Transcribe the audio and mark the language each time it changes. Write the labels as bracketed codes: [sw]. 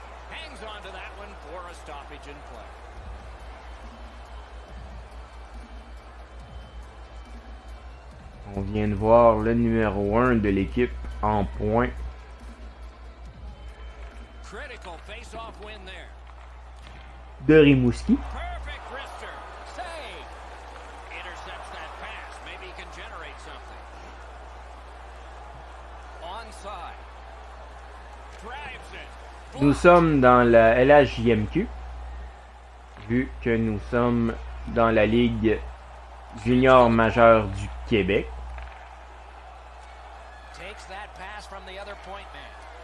[en] Hangs on to that one for a stoppage in play. [fr] On vient de voir le numéro 1 de l'équipe en points. [en] Critical face-off win there. [fr] De Rimouski. [en] Perfect wrister. Save. Intercepts that pass. Maybe he can generate something. Onside. Drives it. [fr] Nous sommes dans la LHJMQ. Vu que nous sommes dans la Ligue Junior Majeure du Québec. [en] Takes that pass from the other point man.